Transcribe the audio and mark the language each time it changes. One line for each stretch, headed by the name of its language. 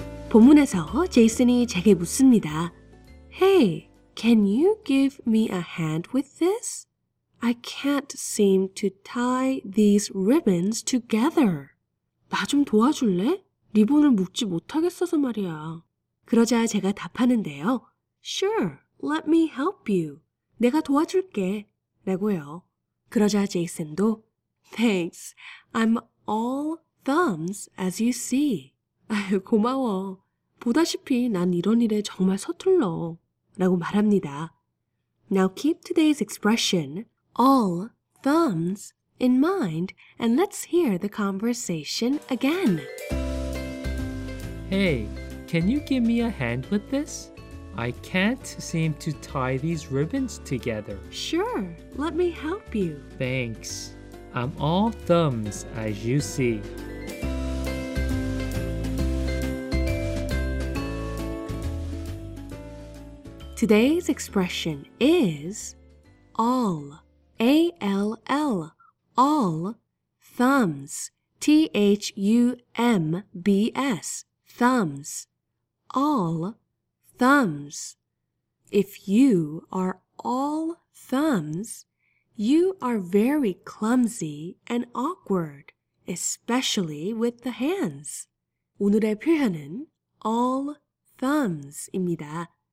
Korean: 본문에서 제이슨이 제게 묻습니다.
English: Hey, can you give me a hand with this? I can't seem to tie these ribbons together.
Korean: 나 좀 도와줄래? 리본을 묶지 못하겠어서 말이야. 그러자 제가 답하는데요.
English: Sure, let me help you.
Korean: 내가 도와줄게. 라고요. 그러자 제이슨도
English: Thanks, I'm all thumbs as you see.
Korean: 아유, 고마워. 보다시피 난 이런 일에 정말 서툴러. 라고 말합니다.
English: Now keep today's expression, all thumbs, in mind, and let's hear the conversation again. Hey, can you give me a hand with this? I can't seem to tie these ribbons together. Sure, let me help you. Thanks. I'm all thumbs, as you see. 'Today's expression is all, A-L-L, all thumbs, T-H-U-M-B-S, thumbs, all thumbs. If you are all thumbs, you are very clumsy and awkward, especially with the hands.
Korean: 오늘의 표현은 all thumbs입니다.